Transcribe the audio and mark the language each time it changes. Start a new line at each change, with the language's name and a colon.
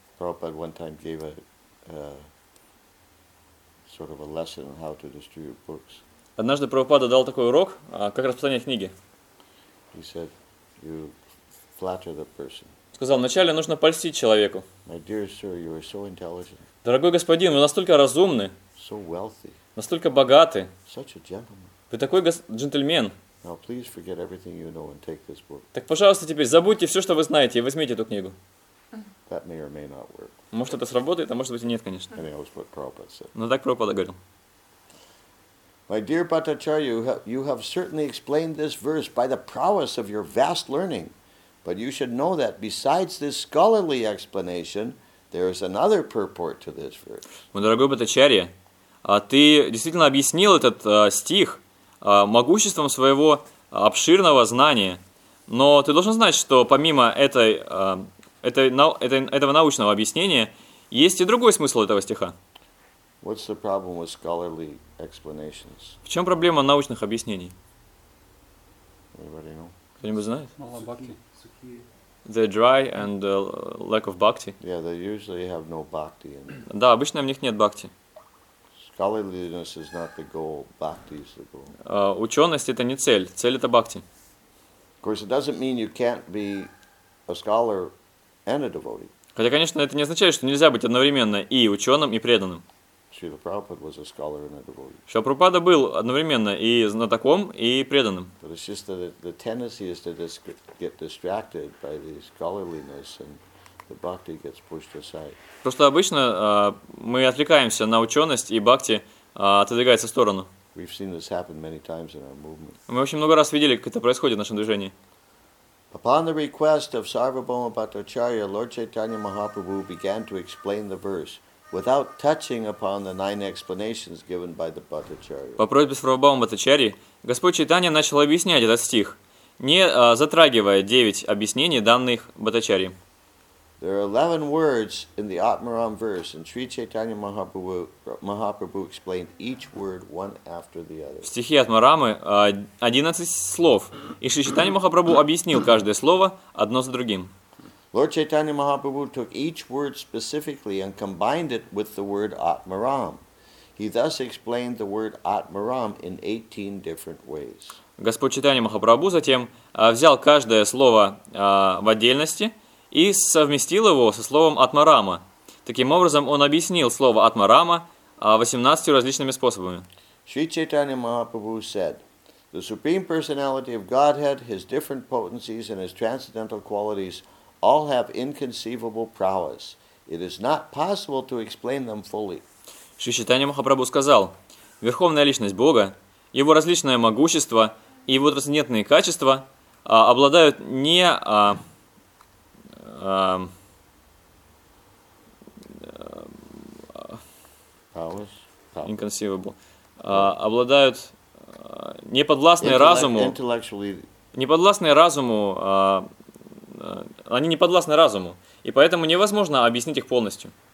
English: Prabhupada one time gave a sort of a lesson on how to distribute books.
Russian: Однажды Прабхупада дал такой урок, как распространять книги.
English: He said, you flatter the person.
Russian: Сказал, вначале нужно польстить человеку.
English: My dear sir, you are so intelligent.
Russian: Дорогой господин, вы настолько разумны.
English: So wealthy.
Russian: Настолько богаты.
English: Such a gentleman.
Russian: Вы такой джентльмен.
English: Now please forget everything you know and take this book.
Russian: Так, пожалуйста, теперь забудьте все, что вы знаете, и возьмите эту книгу.
English: That may or may not work.
Russian: Может, это сработает, а может быть и нет, конечно.
English: Anyway, that's what Prabhupada said.
Russian: Но так Прабхупада говорил.
English: My dear Bhattacharya, you have certainly explained this verse by the prowess of your vast learning. But you should know that besides this scholarly explanation, there is another purport to this verse.
Russian: Мой дорогой Бхаттачарья, ты действительно объяснил этот стих могуществом своего обширного знания. Но ты должен знать, что помимо этого научного объяснения, есть и другой смысл этого стиха.
English: What's the problem with scholarly explanations?
Russian: В чем проблема научных объяснений?
English: Anybody know?
Russian: Кто-нибудь знает? Мало бхакти.
English: The dry and lack of bhakti. Yeah, they usually have no bhakti in them.
Russian: Да, обычно в них нет бхакти.
English: Scholarliness is not the goal. Bhakti is the goal.
Russian: Ученость это не цель. Цель это бхакти.
English: Of course, it doesn't mean you can't be a scholar and a devotee.
Russian: Хотя, конечно, это не означает, что нельзя быть одновременно и ученым, и преданным.
English: Srila Prabhupada was a scholar and a devotee.
Russian: Srila Prabhupada был одновременно и знатоком, и преданным.
English: But it's just that the tendency is to get distracted by the scholarliness and the bhakti gets pushed aside.
Russian: Просто обычно мы отвлекаемся на ученость, и бхакти отодвигается в сторону.
English: We've seen this happen many times in our movement.
Russian: Мы очень много раз видели, как это происходит в нашем движении.
English: Upon the request of Sarvabhauma Bhattacharya, Lord Chaitanya Mahaprabhu began to explain the verse. Without touching upon the nine explanations given by the Bhattacharya.
Russian: По просьбе Прабхупады Бхаттачарьи, Господь Чайтанья начал объяснять этот стих, не затрагивая девять объяснений данных Бхаттачарьи.
English: There are 11 words in the Atmaram verse, and Sri Chaitanya Mahaprabhu explained each word one after the other.
Russian: В стихе Атмарамы 11 слов, и Шри Чайтанья Махапрабху объяснил каждое слово одно за другим.
English: Lord Chaitanya Mahaprabhu took each word specifically and combined it with the word Atmaram. He thus explained the word Atmaram in 18 different ways.
Russian: Господь Чайтанья Махапрабху затем взял каждое слово в отдельности и совместил его со словом Атмарама. Таким образом, он объяснил слово Атмарама 18 различными способами.
English: Sri Chaitanya Mahaprabhu said, "The Supreme Personality of Godhead, His different potencies and His transcendental qualities all have inconceivable prowess. It is not possible to explain them fully."
Russian: Шри Чайтанья Махапрабху сказал, «Верховная Личность Бога, Его различное могущество и Его трансцендентные качества обладают они не подвластны разуму, и поэтому невозможно объяснить их полностью.